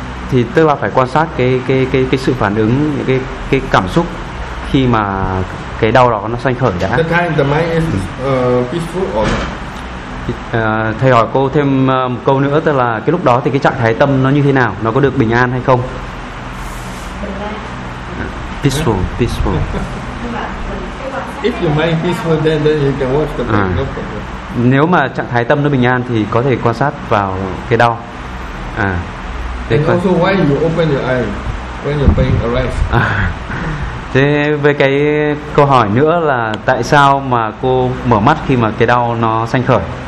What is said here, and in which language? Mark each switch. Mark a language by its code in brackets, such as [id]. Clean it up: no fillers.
[vi] Thì tức là phải quan sát cái sự phản ứng, cái cảm xúc khi mà cái đau đó nó sanh khởi đã. [en] The time the mind is peaceful or not? [vi] Thầy hỏi cô thêm một câu nữa, tức là cái lúc đó thì cái trạng thái tâm nó như thế nào, nó có được bình an hay không? [en] Peaceful. If your mind peaceful, then you can watch the pain. [vi] nếu mà trạng thái tâm nó bình an thì có thể quan sát vào cái đau. À. Thế còn... [en] also why you open your eye when your pain arises. À. [vi] Thế với cái câu hỏi nữa là tại sao mà cô mở mắt khi mà cái đau nó sanh khởi?